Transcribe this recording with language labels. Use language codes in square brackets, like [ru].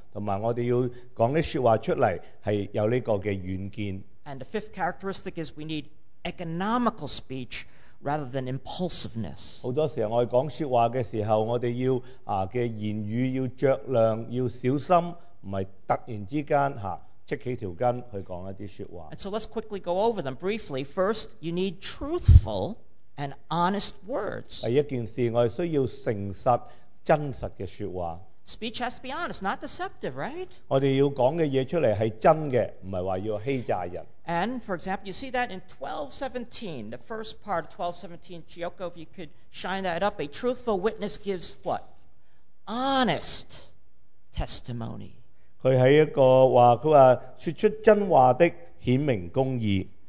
[en] And the fifth characteristic is we need economical speech rather than impulsiveness. [yue] 好多時候我哋講說話嘅時候，我哋要嘅言語要酌量，要小心，唔係突然之間嚇戚起條筋去講一啲說話。 [en] And so let's quickly go over them briefly. First, you need truthful and honest words. [yue] 第一件事，我哋需要誠實、真實嘅說話。 [en] Speech has to be honest, not deceptive, right? [yue] 我哋要讲嘅嘢出嚟系真嘅，唔系话要欺诈人。 [en] And for example, you see that in 12:17, the first part of 12:17, Chioko, if you could shine that up, a truthful witness gives what? Honest testimony. [yue] 佢系一个话，佢话说出真话的显明公义。